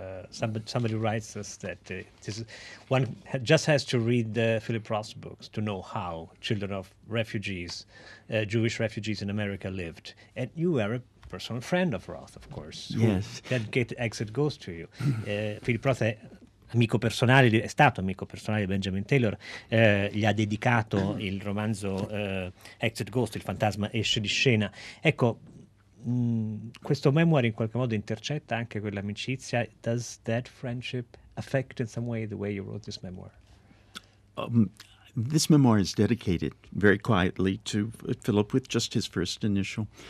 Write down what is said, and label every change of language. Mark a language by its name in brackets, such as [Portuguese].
[English] Somebody writes us that one just has to read Philip Roth's books to know how children of refugees, Jewish refugees in America lived. And you were a personal friend of Roth, of course. Yes. That gate exit goes to you. [Italian] Philip Roth è stato amico personale di Benjamin Taylor, gli ha dedicato il romanzo Exit Ghost, Il fantasma esce di scena. Ecco, questo memoir in qualche modo intercetta anche quell'amicizia. [English] Does that friendship affect in some way the way you wrote this memoir? This memoir is dedicated very quietly to Philip with just his first initial.